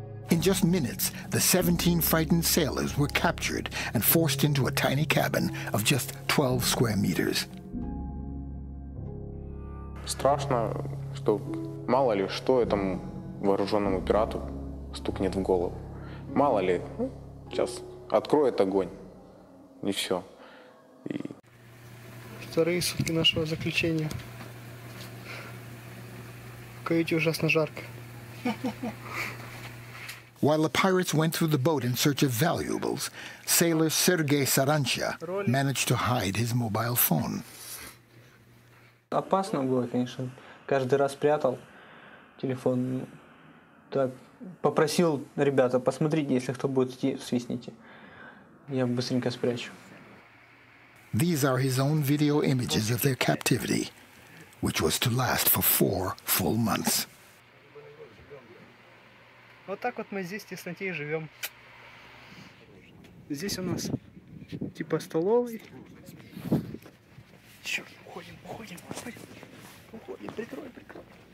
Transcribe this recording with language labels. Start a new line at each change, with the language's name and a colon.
English: In just minutes, the 17 frightened sailors were captured and forced into a tiny cabin of just 12 square meters.
Russian: Страшно, что мало ли что этому вооруженному пирату стукнет в голову. Мало ли, сейчас откроет огонь. И все. Вторые сутки нашего заключения. В каюте ужасно жарко.
English: While the pirates went through the boat in search of valuables, sailor Sergei Саранча managed to hide his mobile phone.
Russian: Опасно было, конечно. Каждый раз прятал телефон. Так, попросил ребята, посмотрите, если кто будет идти, свистните. Я быстренько спрячу.
English: These are his own video images of their captivity, which was to last for 4 full months.
Russian: Вот так вот мы здесь в тесноте и живем. Здесь у нас типа столовый. Черт, уходим, уходим, уходим. Уходим, прикрой, прикрой.